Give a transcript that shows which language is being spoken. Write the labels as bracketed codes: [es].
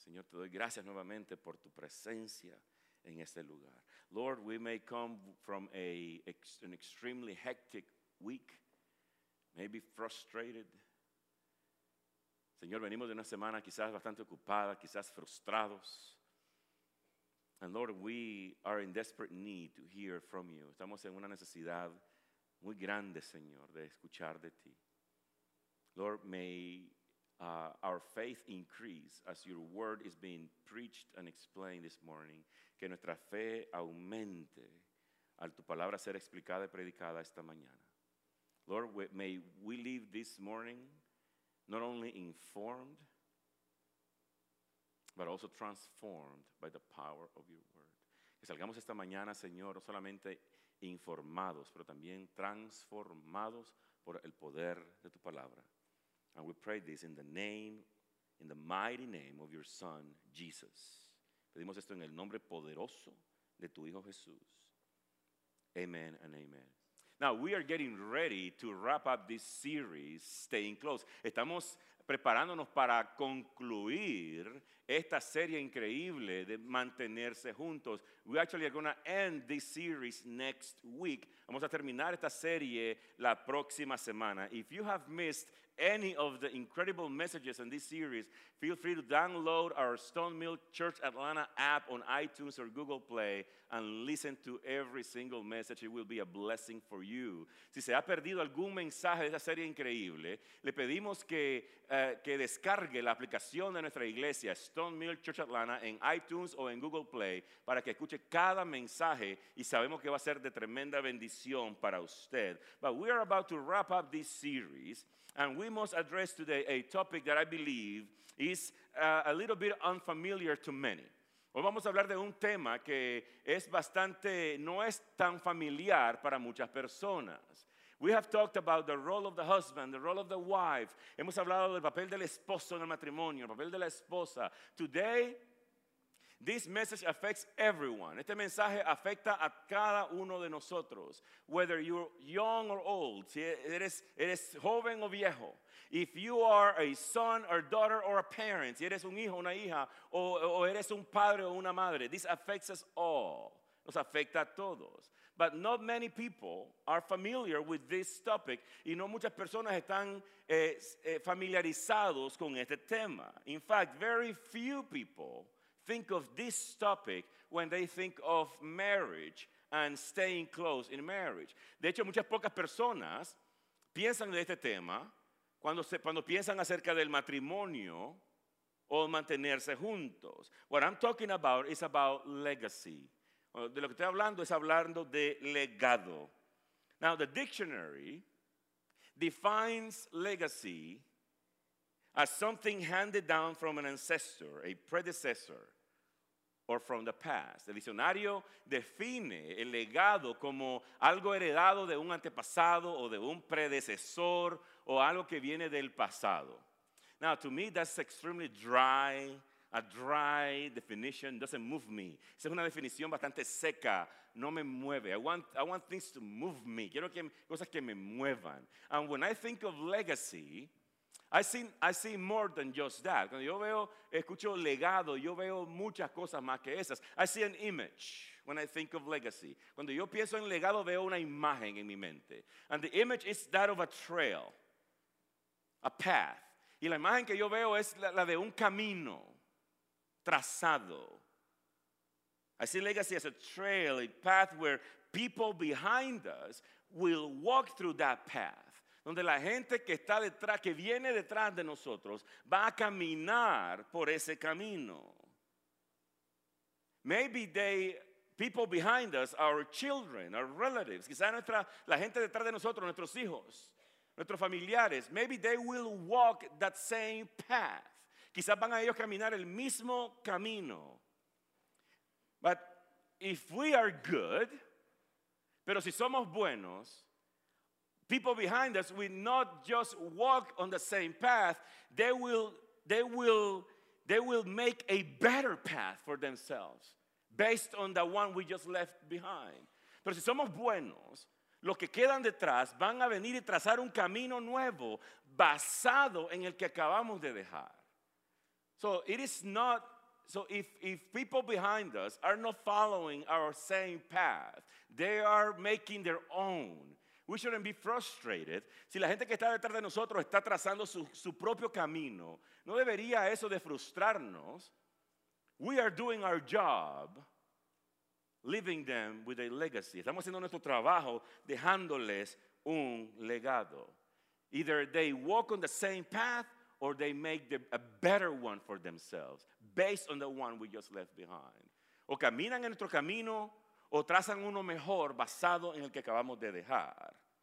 [es] Señor, te doy gracias nuevamente por tu presencia en este lugar. [en] Lord, we may come from an extremely hectic week, maybe frustrated. [es] Señor, venimos de una semana quizás bastante ocupada, quizás frustrados. [en] And Lord, we are in desperate need to hear from you. [es] Estamos en una necesidad muy grande, Señor, de escuchar de ti. [en] Lord, may our faith increase as your word is being preached and explained this morning. [es] Que nuestra fe aumente al tu palabra ser explicada y predicada esta mañana. [en] Lord, may we leave this morning not only informed, but also transformed by the power of your word. [es] Que salgamos esta mañana, Señor, no solamente informados, pero también transformados por el poder de tu palabra. [en] And we pray this in the name, in the mighty name of your Son, Jesus. [es] Pedimos esto en el nombre poderoso de tu Hijo Jesús. [en] Amen and amen. Now, we are getting ready to wrap up this series, Staying Close. [es] Estamos preparándonos para concluir esta serie increíble de mantenerse juntos. [en] We actually are going to end this series next week. [es] Vamos a terminar esta serie la próxima semana. [en] If you have missed any of the incredible messages in this series, feel free to download our Stone Mill Church Atlanta app on iTunes or Google Play and listen to every single message. It will be a blessing for you. [es] Si se ha perdido algún mensaje de esta serie increíble, le pedimos que descargue la aplicación de nuestra iglesia, Stone Mill Church Atlanta, en iTunes o en Google Play, para que escuche cada mensaje y sabemos que va a ser de tremenda bendición para usted. [en] But we are about to wrap up this series, and we must address today a topic that I believe is a little bit unfamiliar to many. [es] Hoy vamos a hablar de un tema que es bastante, no es tan familiar para muchas personas. [en] We have talked about the role of the husband, the role of the wife. [es] Hemos hablado del papel del esposo en el matrimonio, el papel de la esposa. [en] Today, this message affects everyone. [es] Este mensaje afecta a cada uno de nosotros. [en] Whether you're young or old, [es] si eres joven o viejo. [en] If you are a son or daughter or a parent, [es] si eres un hijo o una hija, o eres un padre o una madre, [en] this affects us all. [es] Nos afecta a todos. [en] But not many people are familiar with this topic, [es] y no muchas personas están familiarizados con este tema. [en] In fact, very few people think of this topic when they think of marriage and staying close in marriage. [es] De hecho, muchas pocas personas piensan de este tema cuando piensan acerca del matrimonio o mantenerse juntos. [en] What I'm talking about is about legacy. [es] De lo que estoy hablando es hablando de legado. [en] Now, the dictionary defines legacy as something handed down from an ancestor, a predecessor, or from the past. [es] El diccionario define el legado como algo heredado de un antepasado o de un predecesor o algo que viene del pasado. [en] Now, to me, that's extremely dry. A dry definition doesn't move me. [es] Esa es una definición bastante seca, no me mueve. [en] I want things to move me. [es] Quiero que cosas que me muevan. [en] And when I think of legacy, I see more than just that. [es] Cuando yo veo, escucho legado, yo veo muchas cosas más que esas. [en] I see an image when I think of legacy. [es] Cuando yo pienso en legado, veo una imagen en mi mente. [en] And the image is that of a trail, a path. [es] Y la imagen que yo veo es la de un camino trazado. [en] I see legacy as a trail, a path where people behind us will walk through that path. [es] Donde la gente que está detrás, que viene detrás de nosotros, va a caminar por ese camino. [en] Maybe people behind us, our children, our relatives, [es] quizás la gente detrás de nosotros, nuestros hijos, nuestros familiares, [en] maybe they will walk that same path. [es] Quizás van a ellos caminar el mismo camino. [en] But if we are good, [es] pero si somos buenos, [en] people behind us will not just walk on the same path, they will make a better path for themselves based on the one we just left behind. [es] Pero si somos buenos, los que quedan detrás van a venir y trazar un camino nuevo basado en el que acabamos de dejar. [en] So it is not, so if people behind us are not following our same path, they are making their own. We shouldn't be frustrated. [es] Si la gente que está detrás de nosotros está trazando su propio camino, no debería eso de frustrarnos. [en] We are doing our job, leaving them with a legacy. [es] Estamos haciendo nuestro trabajo dejándoles un legado. [en] Either they walk on the same path or they make a better one for themselves based on the one we just left behind. [es] O caminan en nuestro camino o trazan uno mejor basado en el que acabamos de dejar.